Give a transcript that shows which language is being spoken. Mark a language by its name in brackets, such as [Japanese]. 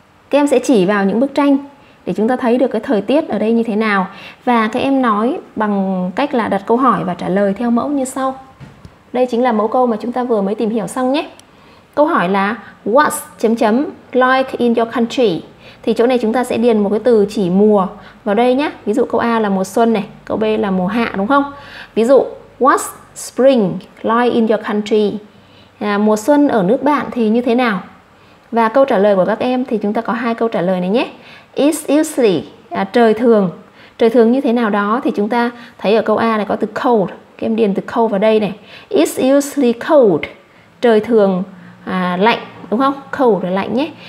[Vietnamese] Các em sẽ chỉ vào những bức tranh để chúng ta thấy được cái thời tiết ở đây như thế nào. Và các em nói bằng cách là đặt câu hỏi và trả lời theo mẫu như sau. Đây chính là mẫu câu mà chúng ta vừa mới tìm hiểu xong nhé. Câu hỏi là [English] what's [Vietnamese] chấm chấm [English] like in your country? [Vietnamese] Thì chỗ này chúng ta sẽ điền một cái từ chỉ mùa vào đây nhé. Ví dụ câu A là mùa xuân này, câu B là mùa hạ đúng không? [English] Ví dụ what's spring like in your country? [Vietnamese] Mùa xuân ở nước bạn thì như thế nào? Và câu trả lời của các em thì chúng ta có hai câu trả lời này nhé. [English] It's usually [Vietnamese] trời thường. Trời thường như thế nào đó thì chúng ta thấy ở câu A này có từ cold. Các em điền từ cold vào đây này. [English] It's usually cold. [Vietnamese] Trời thường lạnh đúng không? Cold là lạnh nhé.